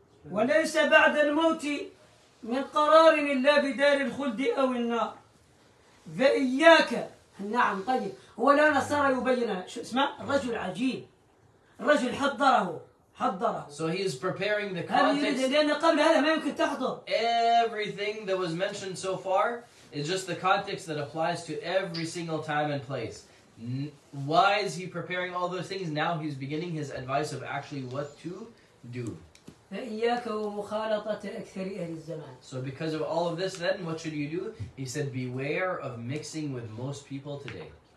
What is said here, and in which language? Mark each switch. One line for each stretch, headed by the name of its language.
Arabic: وليس بعد الموت من قرار إلا بدار الخلد أو النار. فإياك. نعم طيب هو الآن صار يبين شو اسمه رجل عجيب رجل حضره
English: so he is preparing the context
Arabic: لأن قبل هذا ما يمكن تحضر
English: everything that was mentioned so far is just the context that applies to every single time and place why is he preparing all those things now he's beginning his advice of actually what to do
Arabic: فإياك ومخالطة أكثر أهل الزمان.
English: So because of all of this, then what should you do? He said, beware of mixing with most people today.